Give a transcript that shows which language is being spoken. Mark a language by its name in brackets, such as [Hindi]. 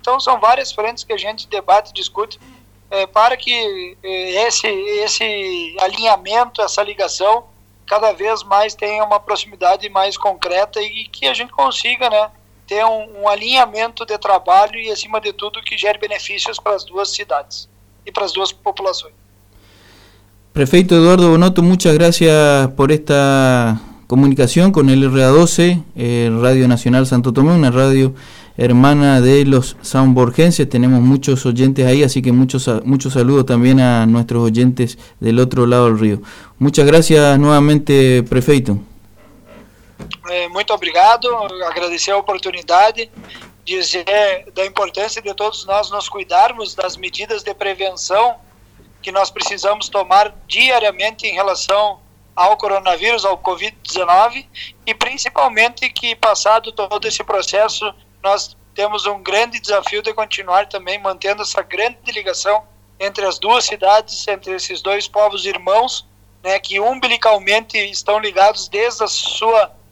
[Portuguese] Então são várias frentes que a gente debate e discute para que esse alinhamento, essa ligação, cada vez mais tenha uma proximidade mais concreta e que a gente consiga, né, ter um alinhamento de trabalho e, acima de tudo, que gere benefícios para as duas cidades e para as duas populações. [Spanish] Prefeito Eduardo Bonotto, muchas gracias por esta comunicación con el RA12, Radio Nacional Santo Tomé, una radio hermana de los sanborgenses. Tenemos muchos oyentes ahí, así que muchos saludos también a nuestros oyentes del otro lado del río. Muchas gracias nuevamente, prefeito. [Portuguese] Muito obrigado, agradecer a oportunidade, dizer da importância de todos nós nos cuidarmos das medidas de prevenção que nós precisamos tomar diariamente em relação ao coronavírus, ao Covid-19, e principalmente que, passado todo esse processo, nós temos um grande desafio de continuar também mantendo essa grande ligação entre as duas cidades, entre esses dois povos irmãos, né, que umbilicalmente estão ligados desde a sua,